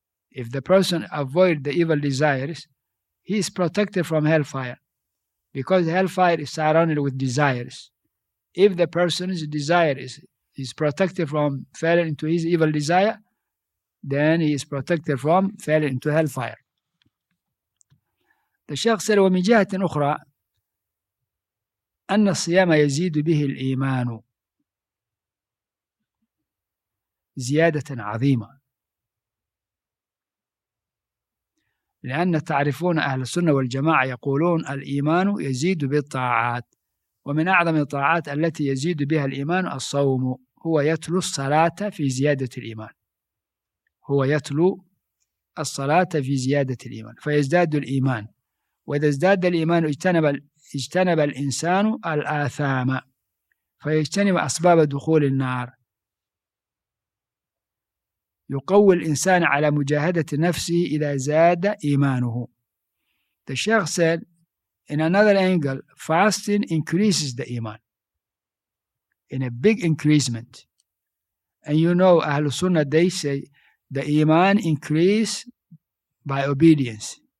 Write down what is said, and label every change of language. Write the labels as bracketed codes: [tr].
[en] If the person avoids the evil desires, he is protected from hellfire, because hellfire is surrounded with desires. If the person's desire is protected from falling into his evil desire, then he is protected from falling into hellfire. The Sheikh said, [ar] ومن جهة أخرى أن الصيام يزيد به الإيمان زيادة عظيمة، لأن تعرفون أهل السنة والجماعة يقولون الإيمان يزيد بالطاعات، ومن أعظم الطاعات التي يزيد بها الإيمان الصوم، هو يتلو الصلاة في زيادة الإيمان، هو يتلو الصلاة في زيادة الإيمان فيزداد الإيمان. وإذا ازداد الإيمان اجتنب الإنسان الآثام، فيجتنب أسباب دخول النار. يقوي الإنسان على مجاهدة نفسه إذا زاد إيمانه. [en] The Sheikh said, in another angle, fasting increases the iman in a big increasement. And you know, Ahl Sunnah, they say the iman increase by obedience.